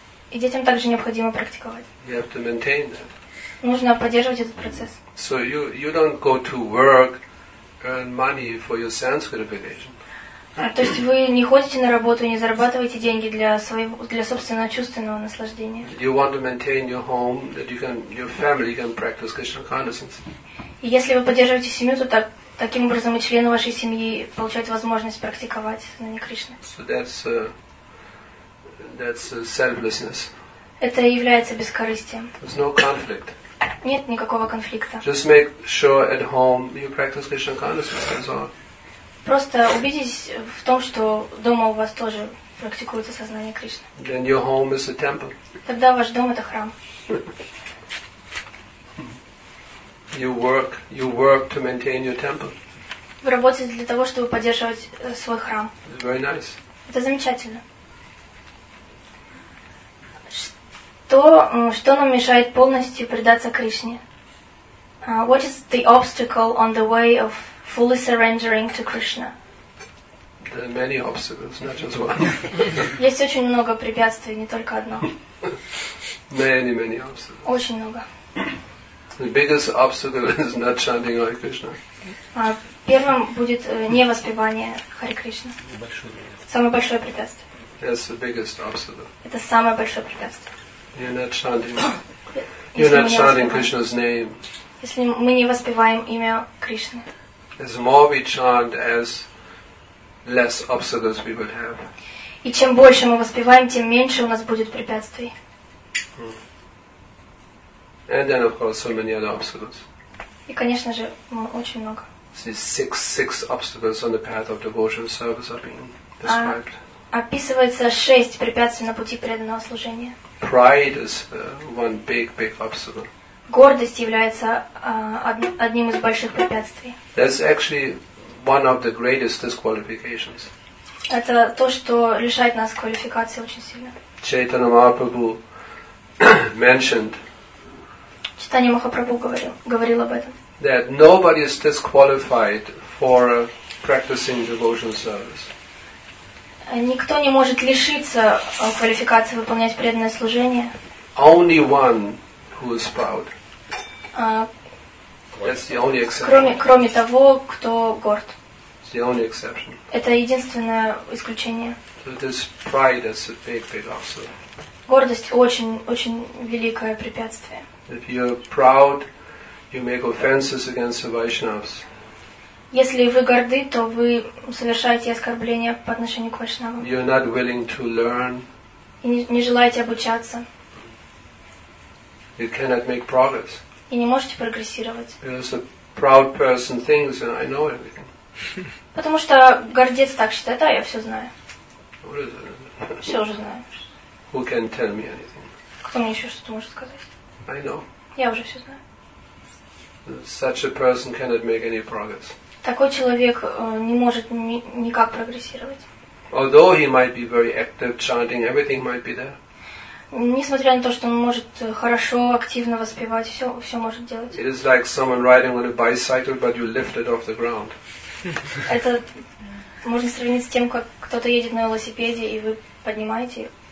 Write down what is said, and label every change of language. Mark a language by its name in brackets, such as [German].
[Russian] И детям также необходимо практиковать. [English] You have to maintain that. [Russian] Нужно поддерживать этот процесс. [English] So you don't go to work, earn money for your Sanskrit education. [Russian] То есть вы не ходите на работу и не зарабатываете деньги для собственного чувственного наслаждения. [English] You want to maintain your home, that you can, your family can practice Krishna consciousness. [Russian] И если вы поддерживаете семью, то таким образом и члены вашей семьи получают возможность практиковать сознание Кришны. [English] So that's selflessness. [Russian] Это является бескорыстием. [English] There's no conflict. [Russian] Нет никакого конфликта. [English] Just make sure at home you practice Krishna consciousness as well. [Russian] Просто убедитесь в том, что дома у вас тоже практикуется сознание Кришны. [English] Then your home is a temple. [Russian] Тогда ваш дом это храм. [English] You work to maintain your temple. [Russian] Вы работаете для того, чтобы поддерживать свой храм. [English] It's very nice. [Russian] Это замечательно. Что нам мешает полностью предаться Кришне? [English] What is the obstacle on the way of fully surrendering to Krishna? There are many obstacles, not just one. [Russian] Есть очень много препятствий, не только одно. [English] Many, many obstacles. [Russian] Очень много. [English] The biggest obstacle is not chanting Hare Krishna. [Russian] Первым будет не воспевание Хари Кришна. Самое большое препятствие. [English] That's the biggest obstacle. [Russian] Это самое большое препятствие. [English] You're not chanting Krishna's name. [Russian] Если мы не воспеваем имя Кришны. [English] As more we chant, as less obstacles we will have. [Russian] И чем больше мы воспеваем, тем меньше у нас будет препятствий. [English] And then, of course, so many other obstacles. [Russian] И, конечно же, очень много. [English] Six obstacles on the path of devotional service are being described. [Russian] Описывается шесть препятствий на пути преданного служения. [English] Pride is one big obstacle. [Russian] Гордость является одним из больших препятствий. [English] That's actually one of the greatest disqualifications. [Russian] Это то, что лишает нас квалификации очень сильно. [English] Chaitanya Mahaprabhu mentioned. [Russian] Chaitanya Mahaprabhu говорил об этом. [English] That nobody is disqualified for practicing devotional service. [Russian] Никто не может лишиться квалификации выполнять преданное служение. [English] Only one who is proud. That's the only exception. [Russian] Кроме того, кто горд. [English] It's the only exception. [Russian] Это единственное исключение. [English] So this pride is a big obstacle. [Russian] Гордость очень великое препятствие. [English] If you're proud, you make offenses against the Vaishnavas. [Russian] Если вы горды, то вы совершаете оскорбления по отношению к вайшнавам. [English] You are not willing to learn. [Russian] И не желаете обучаться. [English] You cannot make progress. [Russian] И не можете прогрессировать. [English] Because a proud person thinks, I know everything. [Russian] Потому что гордец так считает, да, я все знаю. Все уже знаю. [English] Who can tell me anything? [Russian] Кто мне еще что-то может сказать? [English] I know. [Russian] Я уже все знаю. [English] Such a person cannot make any progress. [Russian] Такой человек не может никак прогрессировать. [English] Although he might be very active, chanting, everything might be there. [Russian] Несмотря на то, что он может хорошо, активно воспевать, все может делать. [English] It is like someone riding on a bicycle, but you lift it off the ground. [Russian] Это можно сравнить с тем, как кто-то едет на велосипеде, и вы поднимаете.